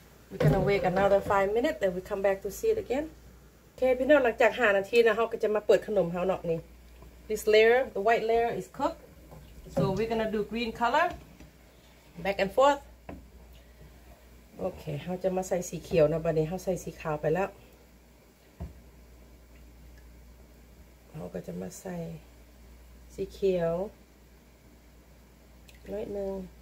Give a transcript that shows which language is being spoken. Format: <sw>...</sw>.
<en>We're gonna wait another 5 minutes, then we come back to see it again.</en> <tts>Okay, พี่น้องหลังจาก5 นาทีนะเขาก็จะมาเปิดขนมเขาเนาะนี่</tts> <en>This layer, the white layer is cooked. So we're gonna do green color, back and forth.</en> <tts>Okay, เขาจะมาใส่สีเขียวนะบัดนี้เขาใส่สีขาวไปแล้วเราก็จะมาใส่สีเขียวน้อยหนึ่ง</tts>